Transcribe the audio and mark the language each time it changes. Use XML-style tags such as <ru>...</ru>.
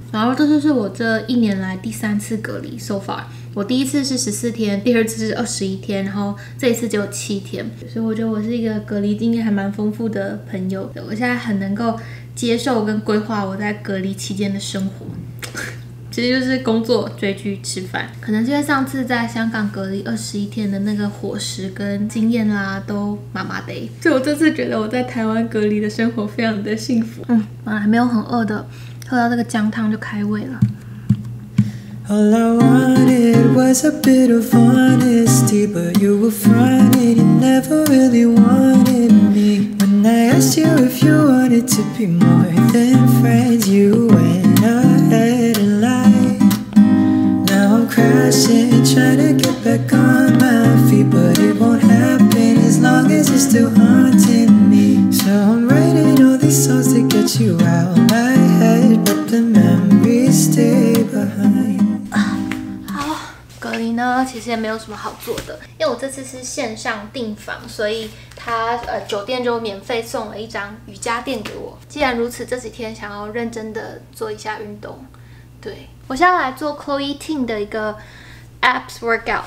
<zh>然后这就是我这一年来第三次隔离</zh> <en>so far，</en> <zh>我第一次是14天，第二次是21天，然后这一次只有7天，所以我觉得我是一个隔离经验还蛮丰富的朋友，我现在很能够接受跟规划我在隔离期间的生活，其实就是工作、追剧、吃饭。可能因为上次在香港隔离21天的那个伙食跟经验啦，都麻麻的。所以我这次觉得我在台湾隔离的生活非常的幸福。嗯，本来没有很饿的，喝到这个姜汤就开胃了。</zh> <en>All I wanted was a bit of honesty, but you were fronted. You never really wanted me. I asked you if you wanted to be more than friends. You went ahead and lied. Now I'm crashing, trying to get back on my feet, but it won't happen as long as you're still haunting me. So I'm writing all these songs to get you out my head, but the memories stay behind.</en> <zh>好，隔离呢，其实也没有什么好做的，因为我这次是线上订房，所以他酒店就免费送了一张瑜伽垫给我。既然如此，这几天想要认真的做一下运动。对，我现在来做 Chloe Ting 的一个</zh> <en>abs workout。</en>